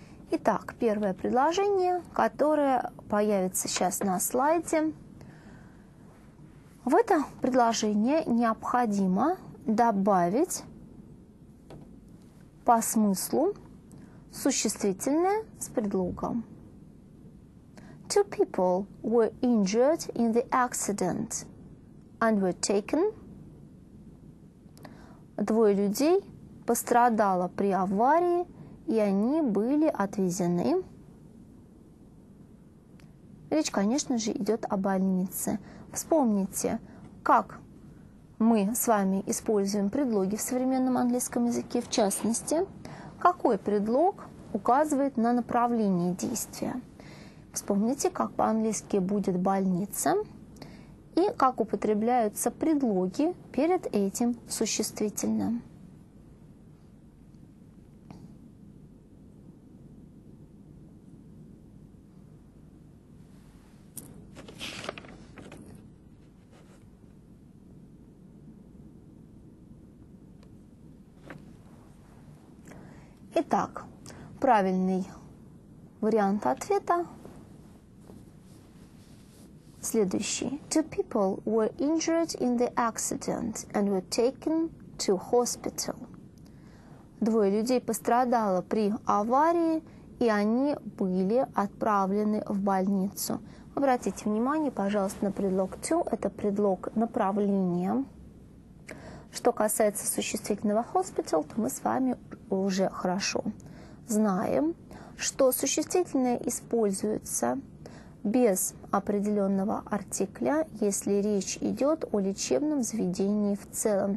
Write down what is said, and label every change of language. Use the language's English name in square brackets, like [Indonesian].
[Russian] Итак, первое предложение, которое появится сейчас на слайде. В это предложение необходимо добавить по смыслу существительное с предлогом. [English] Two people were injured in the accident and were taken. [Russian] Двое людей пострадало при аварии, и они были отвезены. Речь, конечно же, идет о больнице. Вспомните, как мы с вами используем предлоги в современном английском языке, в частности, какой предлог указывает на направление действия. Вспомните, как по-английски будет больница и как употребляются предлоги перед этим существительным. Итак, правильный вариант ответа. Следующий. [English] Two people were injured in the accident and were taken to hospital. [Russian] Двое людей пострадало при аварии, и они были отправлены в больницу. Обратите внимание, пожалуйста, на предлог to. Это предлог направления. Что касается существительного hospital, то мы с вами уже хорошо знаем, что существительное используется без определенного артикля, если речь идет о лечебном заведении в целом.